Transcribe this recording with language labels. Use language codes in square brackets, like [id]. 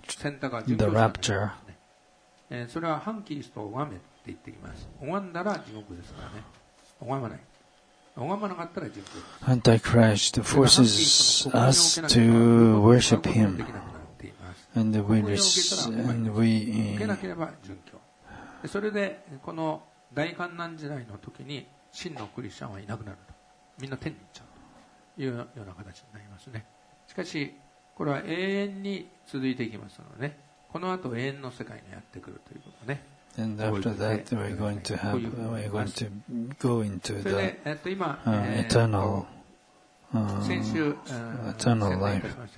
[ja] 選択が重要じゃないですかね。それは反キリストを拝めって言っています。拝んだら地獄ですからね。拝まない。拝まなかったら地獄です。 [en] Antichrist forces us to worship him. And we receive. [ja] それでこの大患難時代の時に真のクリスチャンはいなくなると。みんな天に行っちゃうというような形になりますね。しかし、これは永遠に続いていきますのでね、この後永遠の世界にやってくるということね。 [en] And after that, we're going to have, we're going to go into the eternal, eternal life.